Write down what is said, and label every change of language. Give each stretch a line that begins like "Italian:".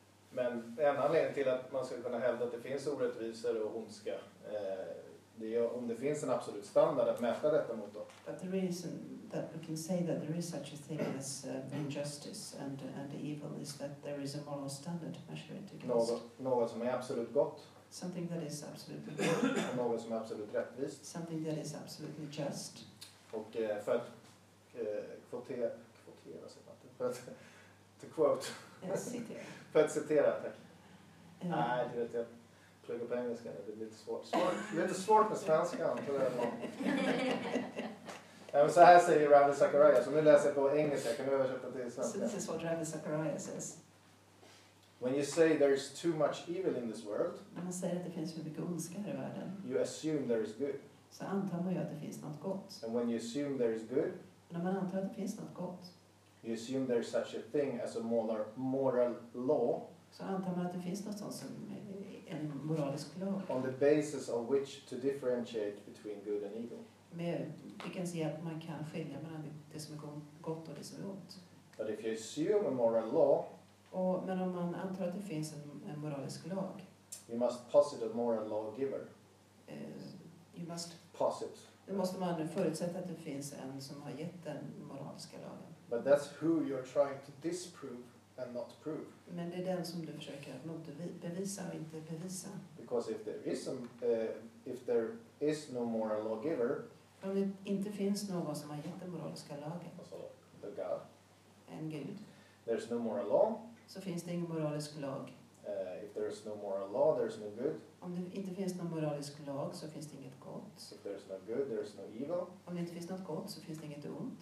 Swedish: Men en anledning till att man ska kunna hävda att det finns orättvisor och ondska det är om det finns en absolut standard att mäta detta mot då.
English: But there is that we can say that there is such a thing as injustice and evil is that there is a moral standard to measure it against.
Swedish: Något som är absolut gott.
English: Something that is absolutely good.
Swedish: Något som är absolut rättvist.
English: Something that is absolutely just.
Swedish: Och för att kvotera sig på det.
English: To quote. Yes,
Swedish: citera. För att citera, tack. Nej, det vet jag. Plugga på engelska, det blir lite svårt. Lite svårt med svenska, tror jag. Men så här säger Ravi Zacharias. Om du läser på engelska, kan du översätta till svenska?
English: So this is what Ravi Zacharias says. When you say there is too much evil in this world.
Swedish: När man säger att det finns för mycket ondska i världen.
English: You assume there is good.
Swedish: Så antar man ju att det finns något gott.
English: And when you assume there is good.
Swedish: När man antar att det finns något gott.
English: You assume there is such a thing as a moral law.
Swedish: Så antar man att det finns något sånt som en moralisk lag.
English: On the basis of which to differentiate between good and evil.
Swedish: Med vilkens hjälp man kan skilja mellan det som är gott och det som är ont.
English: But if you assume a moral law.
Swedish: Och, men om man antar att det finns en moralisk lag.
English: You must posit a moral lawgiver. You must. Posit.
Swedish: Då måste man förutsätta att det finns en som har gett den moraliska lagen.
English: But that's who you're trying to disprove. And not prove.
Swedish: Men det är den som du försöker motbevisa och inte bevisa.
English: Because if there is if there is no moral lawgiver.
Swedish: Om det inte finns någon som har gett den moraliska lagen.
English: Alltså, the God.
Swedish: En Gud.
English: There's no moral law.
Swedish: Så finns det ingen moralisk lag.
English: If there is no moral law, there's no good.
Swedish: Om det inte finns någon moralisk lag så finns det inget gott.
English: If there's no good, there's no evil.
Swedish: Om det inte finns något gott så finns det inget ont.